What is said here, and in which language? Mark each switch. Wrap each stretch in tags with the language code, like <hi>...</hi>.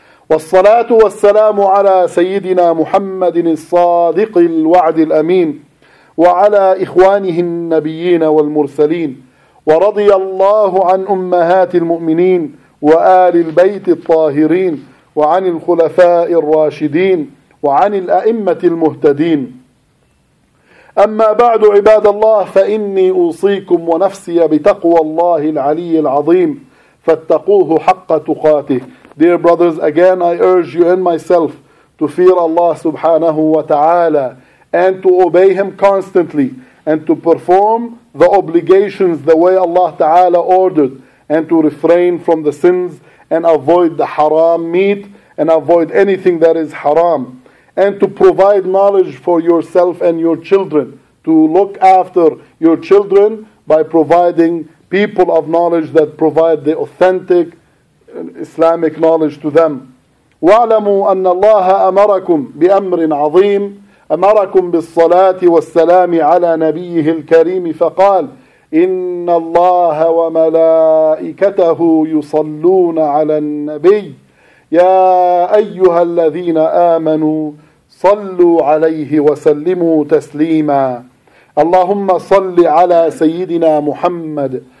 <ar>والصلاة والسلام على سيدنا محمد الصادق الوعد الأمين, وعلى إخوانه النبيين والمرسلين, ورضي الله عن أمهات المؤمنين وآل البيت الطاهرين, وعن الخلفاء الراشدين, وعن الأئمة المهتدين. أما بعد, عباد الله, فإني أوصيكم ونفسي بتقوى الله العلي العظيم, فاتقوه حق تقاته.</ar> <en>Dear brothers, again I urge you and myself to fear Allah</en> <ar>سبحانه وتعالى,</ar> <en>and to obey Him constantly, and to perform the obligations the way Allah تعالى ordered, and to refrain from the sins, and avoid the haram meat, and avoid anything that is haram, and to provide knowledge for yourself and your children, to look after your children by providing people of knowledge that provide the authentic Islamic knowledge to them.</en> <ar>وَعْلَمُوا أَنَّ اللَّهَ أَمَرَكُمْ بِأَمْرٍ عَظِيمٍ أَمَرَكُمْ بِالصَّلَاةِ وَالسَّلَامِ عَلَى نَبِيِّهِ الْكَرِيمِ فَقَالَ إن الله وملائكته يصلون على النبي, يا أيها الذين آمنوا صلوا عليه وسلموا تسليما. اللهم صل على سيدنا محمد</ar>